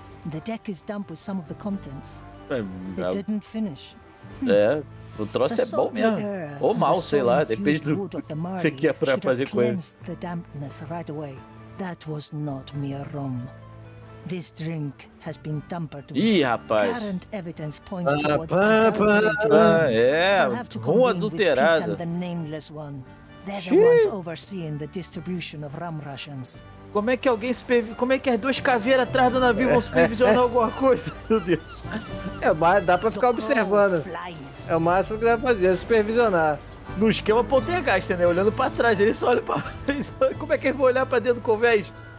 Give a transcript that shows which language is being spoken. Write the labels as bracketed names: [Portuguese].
[English] The deck is damp with some of the contents. It didn't finish. [Portuguese] É, o troço é bom mesmo. Ou mal, sei lá, depende do que você quer pra fazer com ele. [English] The dampness right away. That was not mere rum. This drink has been tampered with. [Portuguese] Ih, rapaz. [English] Current evidence points towards rum adulterada. The nameless one. They're the ones overseeing the distribution of rum rations. [Portuguese] Como é que alguém como é que as duas caveiras atrás do navio vão supervisionar alguma coisa? Meu Deus. É, mas dá pra ficar observando. É o máximo que dá pra fazer, supervisionar. No esquema poltergeist, né? Olhando pra trás, ele só olha pra... Como é que ele vai olhar pra dentro do convés?